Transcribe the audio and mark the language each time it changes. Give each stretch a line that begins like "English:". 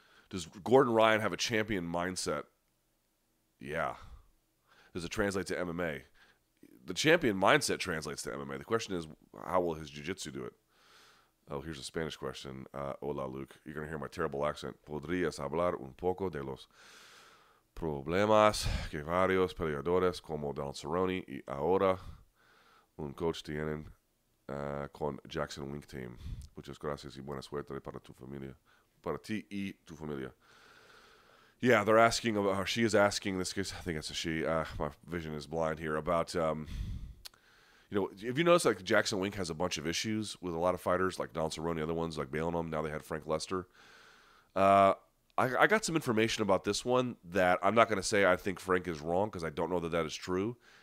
English: Does Gordon Ryan have a champion mindset? Yeah. Does it translate to MMA? The champion mindset translates to MMA. The question is, how will his jiu-jitsu do it? Oh, here's a Spanish question. Hola, Luke. You're going to hear my terrible accent.
Spanish: ¿Podrías hablar un poco de los problemas que varios peleadores como Donald Cerrone y ahora un coach tienen con Jackson Wink Team? Muchas gracias y buena suerte para tu familia. Para ti y tu familia.
English: Yeah, they're asking, or she is asking, in this case, I think it's a she, my vision is blind here, about, you know, if you notice, like, Jackson Wink has a bunch of issues with a lot of fighters, like Donald Cerrone, other ones, like bailing them. Now they had Frank Lester. I got some information about this one that I'm not going to say I think Frank is wrong, because I don't know that that is true.